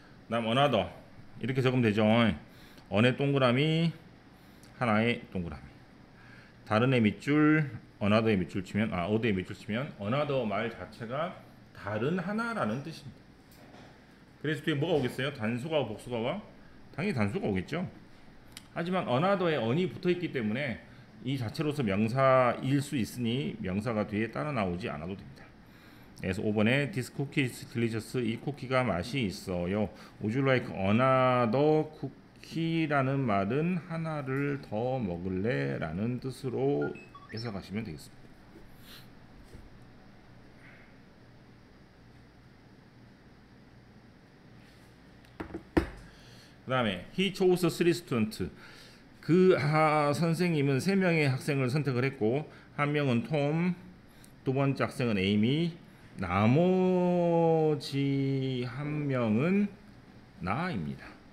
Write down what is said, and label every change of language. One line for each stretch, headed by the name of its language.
Korean: 다음 another 이렇게 적으면 되죠. 어의 동그라미 하나의 동그라미 다른의 밑줄 another의 밑줄 치면 아 어드의 밑줄 치면 another 말 자체가 다른 하나라는 뜻입니다. 그래서 뒤에 뭐가 오겠어요? 단수가와 복수가 와? 당연히 단수가 오겠죠. 하지만 another의 언이 붙어있기 때문에 이 자체로서 명사일 수 있으니 명사가 뒤에 따라 나오지 않아도 됩니다. 그래서 5번에
English: This cookie is delicious.
Korean: 이 쿠키가 맛이 있어요.
English: Would you like another cookie라는
Korean: 말은 하나를 더 먹을래? 라는 뜻으로 해석하시면 되겠습니다. 그 다음에
English: He chose three students.
Korean: 그 선생님은 3명의 학생을 선택을 했고 한 명은 톰, 두 번째 학생은 에이미, 나머지 한 명은 나입니다.